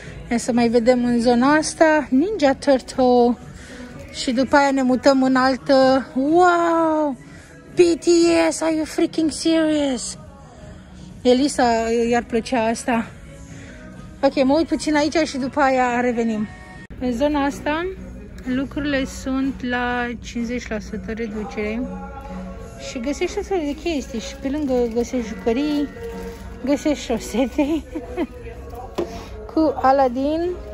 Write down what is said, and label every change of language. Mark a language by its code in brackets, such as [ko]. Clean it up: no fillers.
[ro] Ia să mai vedem în zona asta. Ninja Turtle. Și după aia ne mutăm în altă. Wow! [en] BTS, are you freaking serious? [ro] Elisa i-ar plăcea asta. Ok, mă uit puțin aici și după aia revenim. În zona asta lucrurile sunt la 50% reducere. Și găsești tot felul de chestii. Și pe lângă găsești jucării, găsești șosete cu Aladdin.